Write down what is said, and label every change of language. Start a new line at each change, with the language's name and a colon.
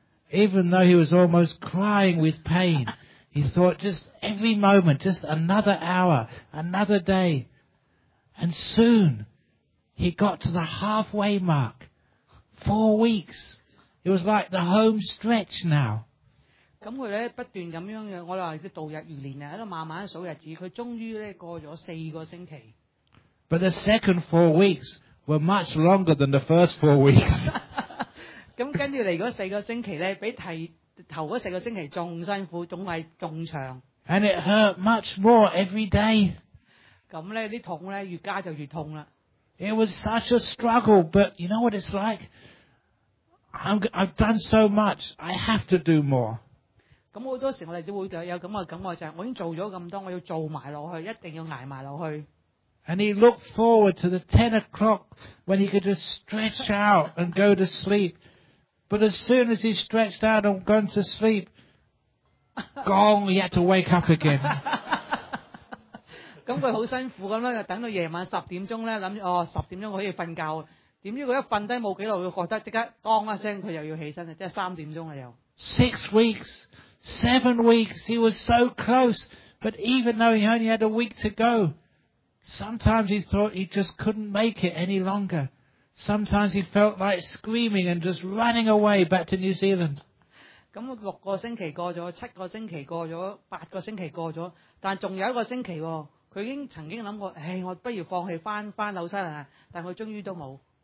English: Even though he was almost crying with pain, he thought just every moment, just another hour, another day, and soon he got to the halfway mark. 4 weeks. It was like the home stretch now.
Cantonese: 咁佢咧不断咁样嘅，我话佢度日如年啊，喺度慢慢数日子，佢终于咧过咗4个星期。
English: But the second 4 weeks were much longer than the first 4 weeks.
Cantonese: 咁跟住嚟嗰4个星期咧，比头嗰4个星期仲辛苦，仲系仲长。
English: And it hurt much more every day.
Cantonese: 咁咧啲痛咧越加就越痛啦。
English: It was such a struggle, but you know what it's like? I've done so much, I have to do more.
Cantonese: 咁好多时我哋都会有咁嘅感觉，就系我已经做咗咁多，我要做埋落去，一定要挨埋落去。
English: And he looked forward to the 10 o'clock when he could just stretch out and go to sleep. But as soon as he stretched out and gone to sleep, gong, he had to wake up again.
Cantonese: 咁佢好辛苦咁啦，等到夜晚10点钟咧，谂哦10点钟可以瞓觉。点知佢一瞓低冇几耐，佢觉得即刻当一声，佢又要起身啦，即系3点钟啦又。
English: 6 weeks, 7 weeks, he was so close. But even though he only had a week to go. Sometimes he thought he just couldn't make it any longer. Sometimes he felt like screaming and just running away back to New Zealand.
Cantonese: 咁六个星期过咗，七个星期过咗，八个星期过咗，但仲有一个星期，佢已经曾经谂过，唉，我不如放弃翻纽西兰啊！但佢终于都冇。